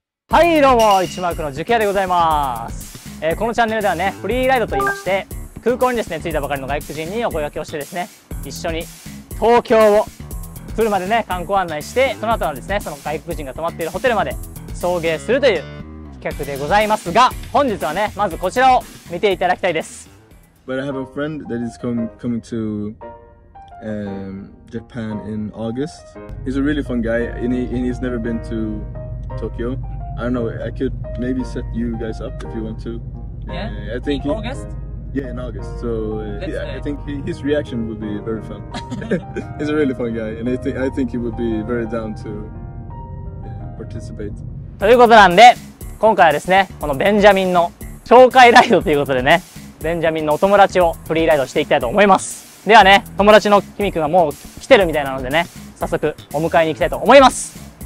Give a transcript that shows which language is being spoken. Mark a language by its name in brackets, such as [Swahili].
[Japanese] はい、どうも、イチマルクの受験でございます。このチャンネルではね、フリーライドと言いまして、空港にですね、着いたばかりの外国人にお声掛けをしてですね、一緒に東京を車でね、観光案内して、その後はですね、その外国人が泊まっているホテルまで送迎するという企画でございますが、本日はね、まずこちらを見ていただきたいです。 [English] But I have a friend that is coming to、Japan in August. He's a really fun guy, and he's never been to Tokyo. I don't know, I could maybe set you guys up if you want to. Yeah? I think in August? Yeah, in August. So I think his reaction would be very fun. He's a really fun guy and I think he would be very down to participate. [Japanese] ということなんで、今回はですね、このベンジャミンの紹介ライドということでね、ベンジャミンのお友達をフリーライドしていきたいと思います。ではね、友達のキミ君がもう来てるみたいなのでね、早速お迎えに行きたいと思います。